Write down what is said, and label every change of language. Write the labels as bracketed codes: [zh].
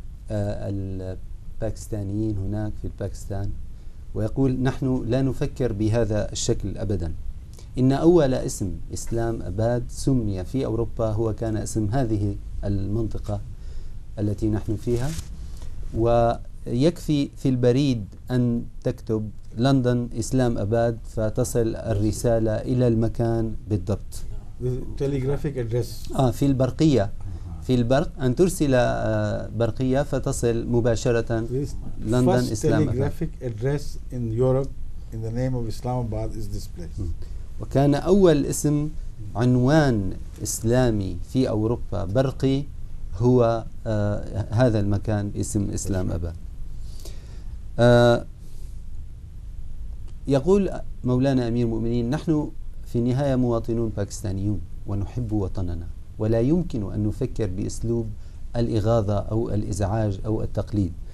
[ar] الباكستانيين هناك في الباكستان ويقول نحن لا نفكر بهذا الشكل أبدا إن أول اسم إسلام أباد سمي في أوروبا هو كان اسم هذه المنطقة التي نحن فيها ويكفي في البريد أن تكتب لندن إسلام أباد فتصل الرسالة إلى المكان بالضبط [en] telegraphic address. [ar] في البرقية في البرق أن ترسل برقية فتصل مباشرة لندن إسلام أباد [en] telegraphic address in Europe in the name of Islamabad is this place. [ar] وكان أول اسم عنوان إسلامي في أوروبا برقي هو هذا المكان اسم إسلام أبا يقول مولانا أمير المؤمنين نحن في النهاية مواطنون باكستانيون ونحب وطننا ولا يمكن أن نفكر بأسلوب الإغاظة أو الإزعاج أو التقليد